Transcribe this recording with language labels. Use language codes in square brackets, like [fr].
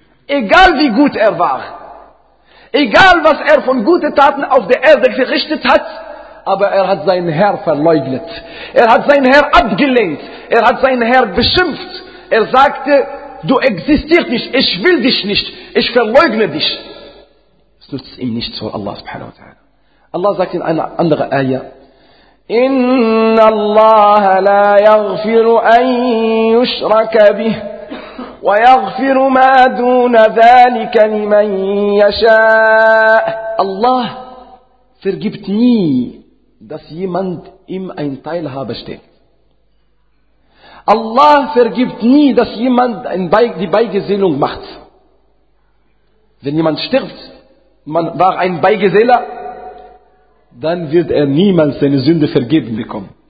[de] Egal wie gut er war, egal was er von guten Taten auf der Erde verrichtet hat, aber er hat seinen Herr verleugnet. Er hat seinen Herr abgelenkt. Er hat seinen Herr beschimpft. Er sagte, du existierst nicht, ich will dich nicht, ich verleugne dich. Es nützt ihm nichts vor Allah subhanahu wa ta'ala. Allah sagt in einer anderen Ayah, [ar] إن الله لا يغفر أن يشرك به ويغفر ما دون ذلك لمن يشاء. [de] Allah vergibt nie, dass jemand ihm ein Teilhaber steht. Allah vergibt nie, dass jemand die Beigesellung macht. Wenn jemand stirbt, man war ein Beigeseller, dann wird er niemals seine Sünde vergeben bekommen.